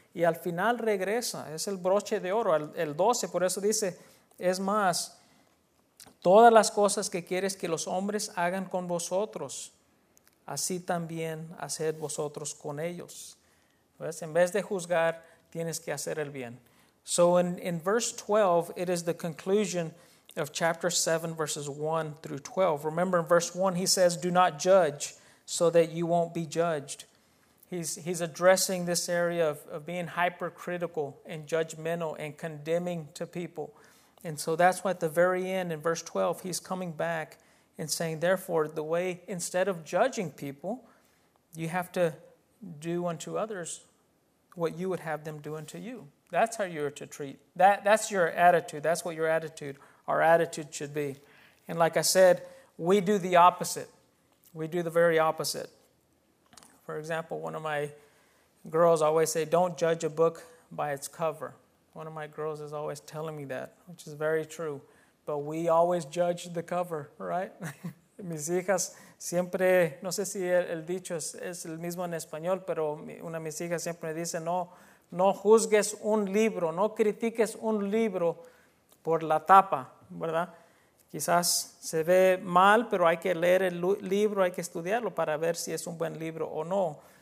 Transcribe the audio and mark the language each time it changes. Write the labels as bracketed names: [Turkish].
[Spanish] Y al final regresa, es el broche de oro, el 12, por eso dice, es más, todas las cosas que quieres que los hombres hagan con vosotros, así también haced vosotros con ellos. ¿Ves? En vez de juzgar, tienes que hacer el bien. [English] So in verse 12, it is the conclusion of chapter 7, verses 1 through 12. Remember in verse 1, he says, do not judge so that you won't be judged. He's addressing this area of being hypercritical and judgmental and condemning to people. And so that's why at the very end in verse 12, he's coming back and saying, therefore, the way instead of judging people, you have to do unto others what you would have them do unto you. That's how you're to treat. That's your attitude. That's what our attitude should be. And like I said, we do the opposite. We do the very opposite. For example, one of my girls always say, don't judge a book by its cover. One of my girls is always telling me that, which is very true. But we always judge the cover, right? [Spanish] Mis hijas siempre, no sé si el dicho es el mismo en español, pero una de mis hijas siempre me dice, no juzgues un libro, no critiques un libro por la tapa, ¿verdad? Quizás se ve mal, pero hay que leer el libro, hay que estudiarlo para ver si es un buen libro o no.